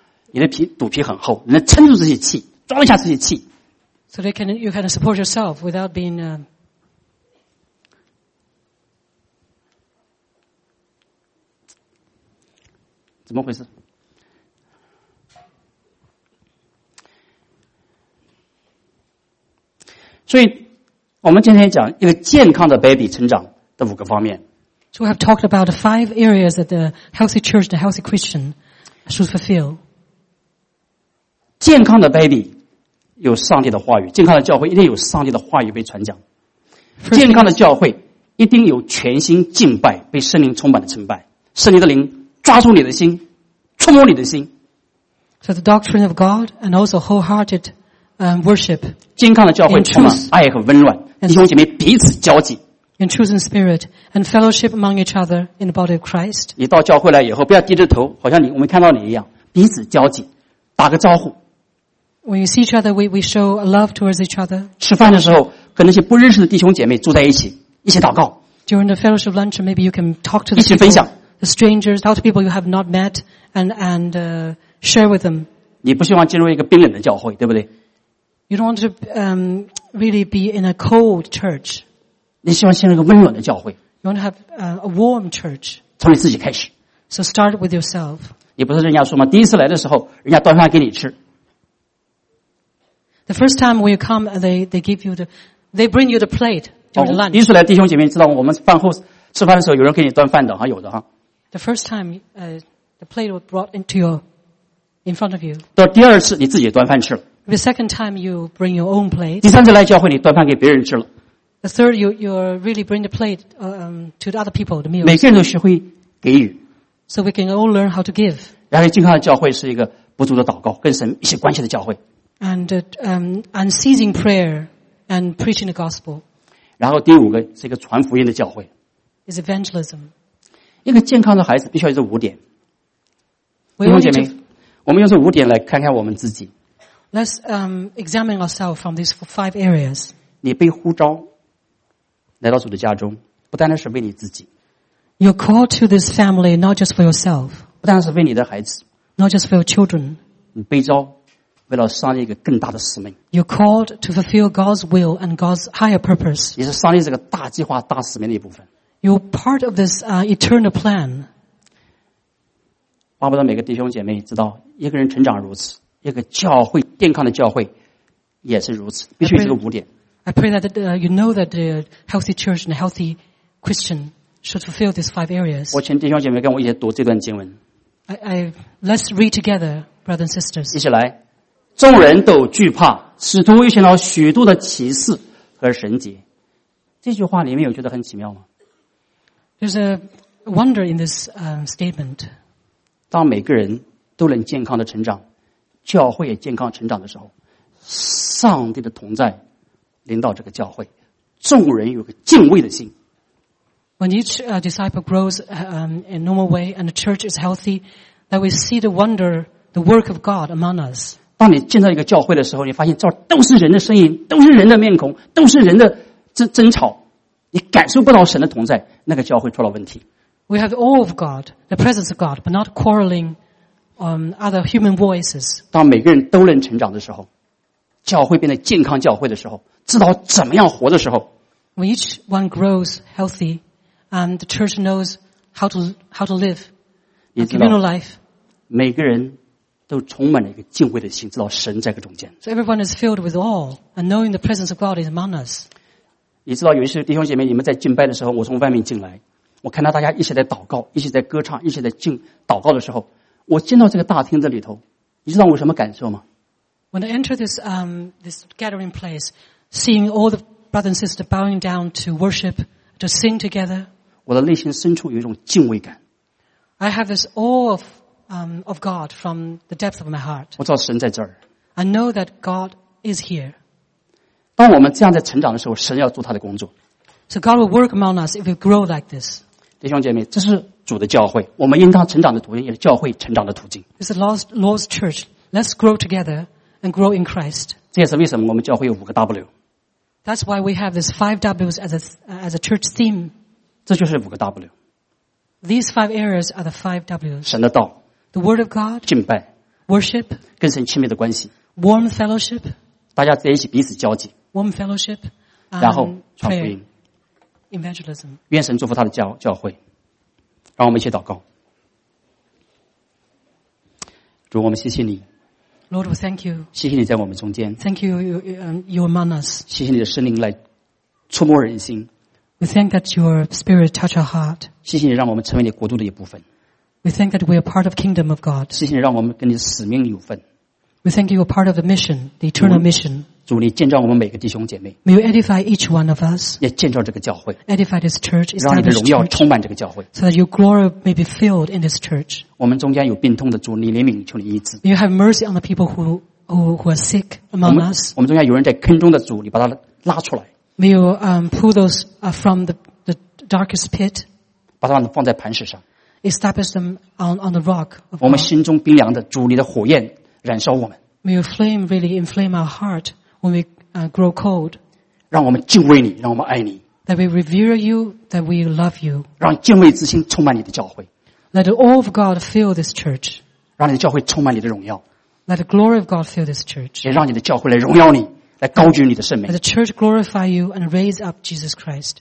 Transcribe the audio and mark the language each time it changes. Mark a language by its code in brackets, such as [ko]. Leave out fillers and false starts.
[zh] 你的皮，肚皮很厚，你能撑住自己气，装一下自己气。 [en] So they can, you can support yourself without being, [zh] 怎么回事？所以，我们今天讲一个健康的 baby 成长的五个方面。 [en] So we have talked about the five areas that the healthy church, the healthy Christian should fulfill. [zh] 健康的 baby 有上帝的话语，健康的教会一定有上帝的话语被传讲。健康的教会一定有全心敬拜，被圣灵充满的崇拜，圣灵的灵抓住你的心。触摸你的心。 [en] So the doctrine of God and also wholehearted worship. [zh] 健康的教会充满爱和温暖，弟兄姐妹彼此交际。 [en] In truth and spirit, and fellowship among each other in the body of Christ. [zh] 你到教会来以后，不要低着头，好像你我们看到你一样，彼此交际，打个招呼。 [en] When you see each other, we show a love towards each other. [zh] 吃饭的时候，跟那些不认识的弟兄姐妹住在一起，一起祷告。 [en] During the fellowship lunch, maybe you can talk to [zh] the 一起分享 [en] people, the strangers, talk to people you have not met, and share with them. [zh] 你不希望进入一个冰冷的教会，对不对？ [en] You don't want to really be in a cold church. [zh] 你希望进入一个温暖的教会。 [en] You want to have a warm church. [zh] 从你自己开始。 [en] So start with yourself. [zh] 你不是人家说吗？第一次来的时候，人家端饭给你吃。 [en] The first time when you come, they give you the, they bring you the plate during the lunch. [zh] 第一次来弟兄姐妹知道我们饭后吃饭的时候有人给你端饭的哈，有的哈。 [en] The first time, the plate was brought into your, in front of you. [zh] 到第二次你自己端饭吃了。 [en] The second time you bring your own plate. [zh] 第三次来教会你端饭给别人吃了。 [en] The third, you really bring the plate to the other people, the meals. [zh] 每个人都学会给予。 [en] So we can all learn how to give. [zh] 然后健康的教会是一个不住的祷告，跟神一些关系的教会。 [en] And unceasing prayer and preaching the gospel. [zh] 然后第五个是一个传福音的教会。 [en] Is evangelism. [zh] 一个健康的孩子必须要有这五点。弟兄姐妹，我们用这五点来看看我们自己。 [en] Let's examine ourselves from these five areas. [zh] 你被呼召。来到主的家中，不单单是为你自己。 [en] You're called to this family not just for yourself. [zh] 不单单是为你的孩子。 [en] Not just for your children. [zh] 你被召，为了上帝一个更大的使命。 [en] You're called to fulfill God's will and God's higher purpose. [zh] 你是上帝这个大计划、大使命的一部分。 [en] You're part of this eternal plan. [zh] 巴不得每个弟兄姐妹知道，一个人成长如此，一个教会健康的教会也是如此，必须这个五点。 [en] I pray that you know that the healthy church and a healthy Christian should fulfill these five areas. [zh] 我请弟兄姐妹跟我一起读这段经文。 [en] Let's read together, brothers and sisters. [zh] 一起来，众人都惧怕，使徒又行了许多的奇事和神迹。这句话里面有觉得很奇妙吗？ [en] There's a wonder in this statement. [zh] 当每个人都能健康的成长，教会也健康成长的时候，上帝的同在。领导这个教会，众人有个敬畏的心。 [en] When each disciple grows in normal way and the church is healthy, that we see the wonder, the work of God among us. [zh] 当你进到一个教会的时候，你发现这都是人的声音，都是人的面孔，都是人的争吵，你感受不到神的同在，那个教会出了问题。 [en] We have all of God, the presence of God, but not quarreling on other human voices. [zh] 当每个人都能成长的时候，教会变得健康教会的时候。知道怎么样活的时候 [en] ，When each one grows healthy, and the church knows how to live, communal life. [zh] 每个人都充满了一个敬畏的心，知道神在个中间。 [en] So everyone is filled with awe and knowing the presence of God is among us. [zh] 你知道，有一些弟兄姐妹，你们在敬拜的时候，我从外面进来，我看到大家一起在祷告，一起在歌唱，一起在敬祷告的时候，我进到这个大厅这里头，你知道我什么感受吗 [en] ？When I enter this gathering place. Seeing all the brothers and sisters bowing down to worship, to sing together. [zh] 我的内心深处有一种敬畏感。 [en] I have this awe of God from the depth of my heart. [zh] 我知道神在这儿。 [en] I know that God is here. [zh] 当我们这样在成长的时候，神要做他的工作。 [en] So God will work among us if we grow like this. [zh] 弟兄姐妹，这是主的教会，我们应当成长的途径，也是教会成长的途径。 [en] This is Lord's church. Let's grow together and grow in Christ. [zh] 这也是为什么我们教会有五个 W。 [en] That's why we have this five W's as a church theme. [zh] 这就是五个 W。 [en] These five areas are the five W's. [zh] 神的道。 [en] The word of God. [zh] 敬拜。 [en] Worship. [zh] 跟神亲密的关系。 [en] Warm fellowship. [zh] 大家在一起彼此交际。 [en] Warm fellowship. [zh] 然后传福音。 [en] Evangelism. [zh] 愿神祝福他的教会。让我们一起祷告。主，我们谢谢你。 [en] Lord, we thank you. [zh] 谢谢你在我们中间。 [en] Thank you, you among us. [zh] 谢谢你的圣灵来触摸人心。 [en] We thank that your spirit touch our heart. [zh] 谢谢你让我们成为你国度的一部分。 [en] We thank that we are part of kingdom of God. [zh] 谢谢你让我们跟你使命有份。 [en] We thank you are part of the mission, the eternal mission. [zh] 主，你建造我们每个弟兄姐妹。 [en] May you edify each one of us. [zh] 也建造这个教会。 [en] Edify this church. [zh] 让你的荣耀充满这个教会。 [en] So that your glory may be filled in this church. [zh] 我们中间有病痛的，主，你怜悯，求你医治。 [en] You have mercy on the people who are sick among us. [zh] 我们中间有人在坑中的，主，你把他拉出来。 [en] will pull those from the darkest pit. [zh] 把他们放在磐石上。 [en] Establish them on the rock. [zh] 我们心中冰凉的主你的火焰燃烧我们。 [en] May your flame really inflame our heart when we grow cold. [zh] 让我们敬畏你，让我们爱你。 [en] That we revere you, that we love you. [zh] 让敬畏之心充满你的教会。 [en] Let the awe of God fill this church. [zh] 让你的教会充满你的荣耀。 [en] Let the glory of God fill this church. [zh] 也让你的教会来荣耀你，来高举你的圣名。 [en] Let the church glorify you and raise up Jesus Christ.